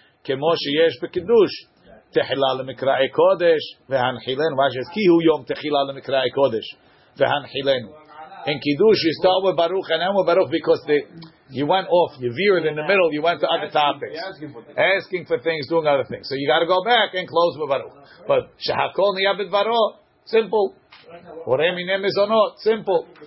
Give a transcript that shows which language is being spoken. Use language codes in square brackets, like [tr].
[he] כמו שיש בקידוש, תחילה למקראי קודש, והנחילנו, כי הוא יום תחילה למקראי קודש, והנחילנו. [en] In קידוש, you start with ברוך, and then with ברוך, because you went off, you veered in the middle, you went to other topics. Asking for things, doing other things. So you got to go back and close with ברוך. But, [he] שהכל נהיה בדברו, [en] simple. [he] הורי מיני מזונות, [en] simple.